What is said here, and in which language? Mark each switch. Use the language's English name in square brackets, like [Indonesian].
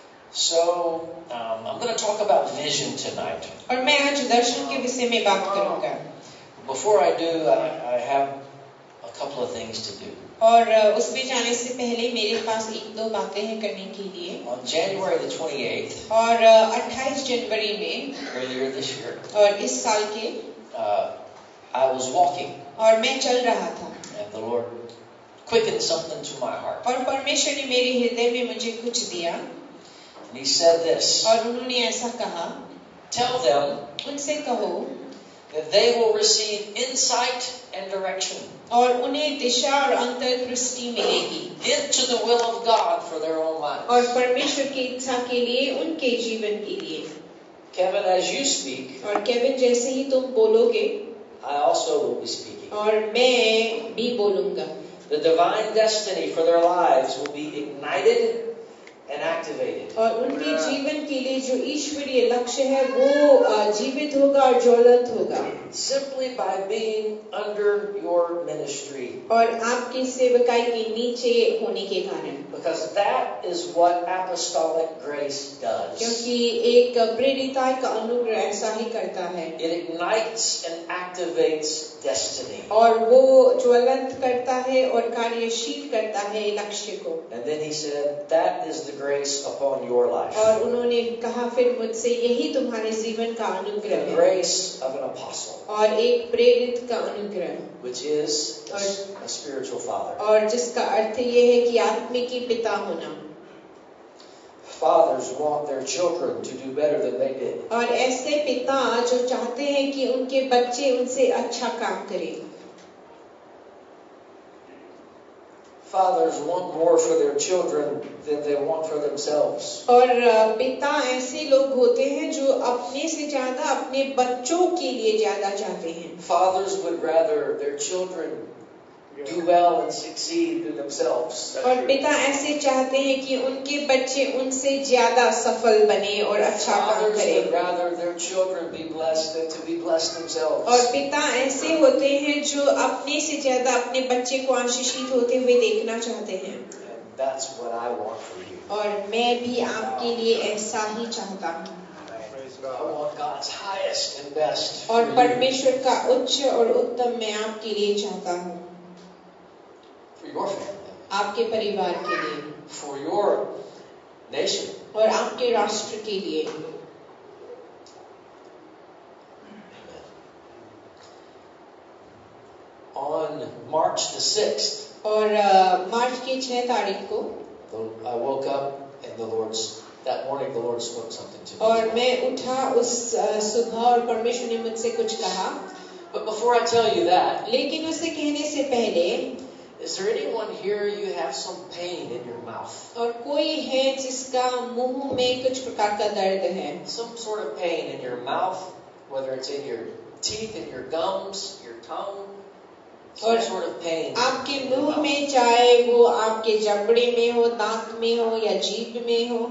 [English] So, I'm going to talk about vision tonight. [Hindi] और मैं आज दर्शन के विषय में बात करूंगा. [English] Before I do, I have a couple of things to do. [Hindi] और उस पे जाने से पहले मेरे पास एक दो बातें हैं करने के लिए. [English] On January the 28th. [Hindi] और 28 जनवरी में. [English] Earlier this year. [Hindi] और इस साल के. [English] I was walking. [Hindi] और मैं चल रहा था. [English] And the Lord quickened something to my heart. [Hindi] और परमेश्वर ने मेरे हृदय में मुझे कुछ दिया. [English] And He said this. [Hindi] और उन्होंने ऐसा कहा. [English] Tell them. [Hindi] उनसे कहो. [English] That they will receive insight and direction. [Hindi] और उन्हें दिशा और अंतर्दृष्टि मिलेगी. [English] Into the will of God for their own lives. [Hindi] और परमेश्वर की इच्छा के लिए उनके जीवन के लिए. [English] Kevin, as you speak. [Hindi] और केविन जैसे ही तुम बोलोगे. [English] I also will be speaking. [Hindi] और मैं भी बोलूँगा. [English] The divine destiny for their lives will be ignited and activated. [Hindi] और उनके जीवन के लिए जो ईश्वरीय लक्ष्य है वो जीवित होगा और ज्वलंत होगा. [English] Simply by being under your ministry. [Hindi] और आपके सेवकाई के नीचे होने के कारण. [English] Because that is what apostolic grace does. [Hindi] क्योंकि एक प्रेरिताई का अनुग्रह ऐसा ही करता है. [English] It ignites and activates destiny. [Hindi] और वो ज्वलंत करता है और कार्यशील करता है लक्ष्य को. [English] And then he said, that is the grace upon your life. [Hindi] और उन्होंने कहा फिर मुझसे यही तुम्हारे जीवन का अनुग्रह है. [English] The grace of an apostle. [Hindi] और एक प्रेरित का अनुग्रह. [English] Which is a spiritual father. [Hindi] और जिसका अर्थ ये है कि आत्मिक पिता होना. [English] Fathers want their children to do better than they did. [Hindi] और ऐसे पिता जो चाहते हैं कि उनके बच्चे उनसे अच्छा काम करें. [English] Fathers want more for their children than they want for themselves. [Hindi] और पिता ऐसे लोग होते हैं जो अपने से ज्यादा अपने बच्चों के लिए ज्यादा चाहते हैं. [English] Fathers would rather their children do well and succeed than themselves. [Hindi] और पिता ऐसे चाहते हैं कि उनके बच्चे उनसे ज्यादा सफल बने और अच्छा काम करें. [English] Fathers would rather their children be blessed than to be blessed themselves. [Hindi] और पिता ऐसे होते हैं जो अपने से ज्यादा अपने बच्चे को आशीषित होते हुए देखना चाहते हैं. [English] And That's what I want for you. [Hindi] और मैं भी आपके लिए ऐसा ही चाहता हूँ. [English] I want God's highest and best. [Hindi] और परमेश्वर का उच्च और उत्तम मैं आपके लिए चाहता हूँ. [English] For your family. [Hindi] आपके परिवार के लिए. [English] For your nation. [Hindi] और आपके राष्ट्र के लिए. [English] On March the 6th. [Hindi] और मार्च की 6 तारीख को. [English] I woke up and the Lord's. That morning the Lord spoke something to me. [Hindi] और मैं उठा उस सुबह और परमेश्वर ने मुझसे कुछ कहा. [English] But before I tell you that, [Hindi] लेकिन उसे कहने से पहले, [English] is there anyone here you have some pain in your mouth? [Hindi] और कोई है जिसका मुंह में कुछ प्रकार का दर्द है? [English] Some sort of pain in your mouth, whether it's in your teeth, in your gums, your tongue. [Hindi] आपके मुंह में चाहे वो आपके जबड़े में हो, दांत में हो या जीभ में हो,